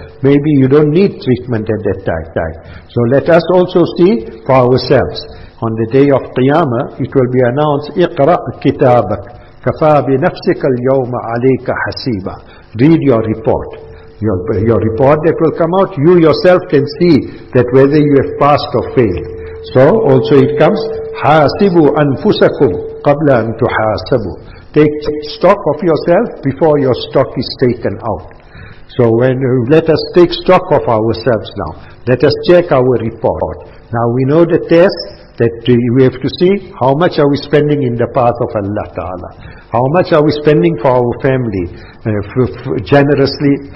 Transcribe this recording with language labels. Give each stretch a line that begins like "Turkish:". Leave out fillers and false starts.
English: Maybe you don't need treatment at that time. So let us also see for ourselves. On the day of Qiyamah, it will be announced,
Arabic: اِقْرَأْ كِتَابَكْ كَفَى بِنَفْسِكَ الْيَوْمَ عَلَيْكَ حَسِيبًا.
English: Read your report. Your report that will come out, you yourself can see that whether you have passed or failed. So also it comes,
Arabic: حَاسِبُوا أَنفُسَكُمْ قَبْلَ أَن تُحَاسَبُوا.
English: Take stock of yourself before your stock is taken out. So let us take stock of ourselves now. Let us check our report. Now we know the test that we have to see, how much are we spending in the path of Allah Ta'ala. How much are we spending for our family generously.